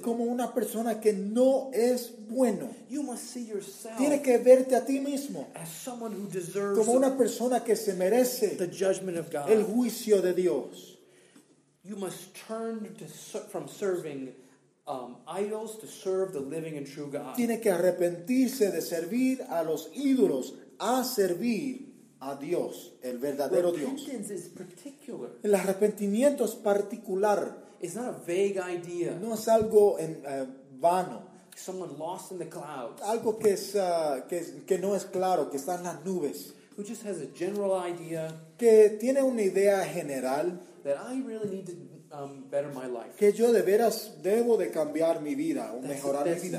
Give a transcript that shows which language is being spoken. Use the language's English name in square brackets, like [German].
[Spanish] Como una persona que no es bueno. [English] You must see yourself. [Spanish] Tiene que verte a ti mismo. [English] As someone who deserves. [Spanish] Como una persona que se merece. [English] The judgment of God. [Spanish] El juicio de Dios. [English] You must turn from serving idols to serve the living and true God. [Spanish] Tiene que arrepentirse de servir a los ídolos a servir a Dios, el verdadero Dios. [English] Repentance is particular. [Spanish] El arrepentimiento es particular. [English] It's not a vague idea. [Spanish] No es algo en vano. [English] Someone lost in the clouds. [Spanish] Algo que no es claro, que está en las nubes. [English] Who just has a general idea. [Spanish] Que tiene una idea general. [English] That I really need to better my life. [Spanish] Que yo de veras debo de cambiar mi vida, o mejorar mi vida.